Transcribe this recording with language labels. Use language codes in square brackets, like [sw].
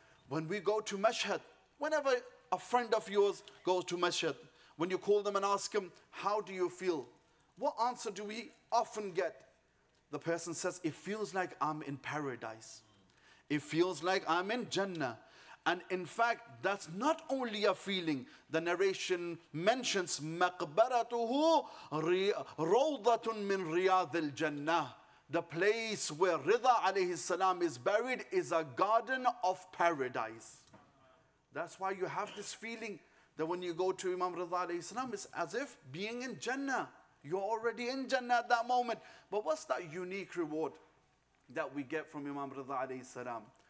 [en] When we go to Mashhad, whenever a friend of yours goes to Mashhad, when you call them and ask him, how do you feel? What answer do we often get? The person says, it feels like I'm in paradise. It feels like I'm in Jannah. And in fact, that's not only a feeling. The narration mentions [ar] مَقْبَرَتُهُ رَوْضَةٌ مِّن رِيَاذِ الْجَنَّةِ. [en] The place where Rida alayhi salam is buried is a garden of paradise. That's why you have this feeling that when you go to Imam Rida alayhi salam, it's as if being in Jannah. You're already in Jannah at that moment. But what's that unique reward that we get from Imam Rida alayhi salam?